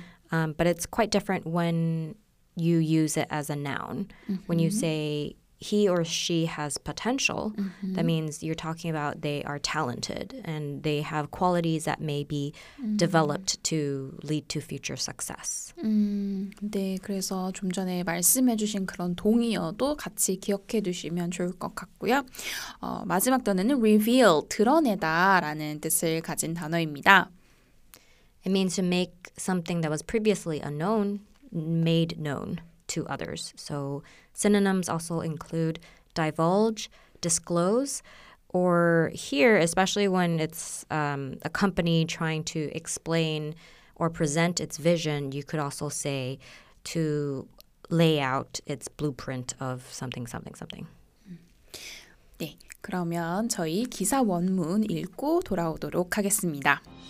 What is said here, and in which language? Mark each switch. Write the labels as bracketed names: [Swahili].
[English] But it's quite different when you use it as a noun. Mm-hmm. When you say he or she has potential, mm-hmm. that means you're talking about they are talented and they have qualities that may be developed to lead to future success. [Korean] 네, 그래서 좀 전에 말씀해 주신 그런 동의어도 같이 기억해 두시면 좋을 것 같고요. 마지막 단어는 reveal, 드러내다 라는 뜻을 가진 단어입니다. [English] It means to make something that was previously unknown made known to others. So synonyms also include divulge, disclose, or here, especially when it's a company trying to explain or present its vision, you could also say to lay out its blueprint of something, something, something. [Korean] 네, 그러면 저희 기사 원문 읽고 돌아오도록 하겠습니다.